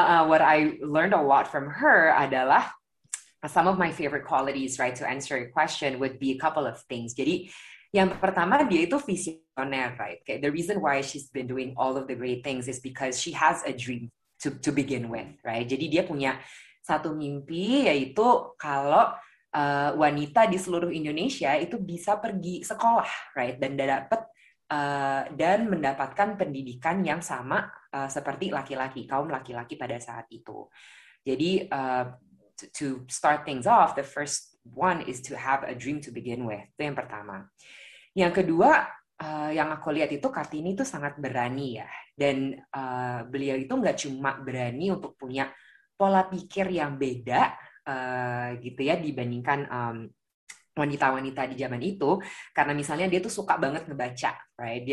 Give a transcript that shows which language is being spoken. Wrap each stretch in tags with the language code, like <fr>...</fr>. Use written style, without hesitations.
<en>What I learned a lot from her adalah some of my favorite qualities, right, to answer your question would be a couple of things.</en> <id>Jadi, yang pertama, dia itu visioner, right? Okay.</id> <en>The reason why she's been doing all of the great things is because she has a dream to begin with, right?</en> <id>Jadi, dia punya satu mimpi, yaitu kalau wanita di seluruh Indonesia itu bisa pergi sekolah, right? Dan dapat dan mendapatkan pendidikan yang sama seperti laki-laki, kaum laki-laki pada saat itu.</id> <en>Jadi, to start things off, the first one is to have a dream to begin with.</en> <id>Itu yang pertama. Yang kedua, yang aku lihat itu Kartini itu sangat berani ya. Dan beliau itu nggak cuma berani untuk punya pola pikir yang beda gitu ya dibandingkan wanita-wanita di zaman itu, karena misalnya dia tuh suka banget ngebaca, right?</id>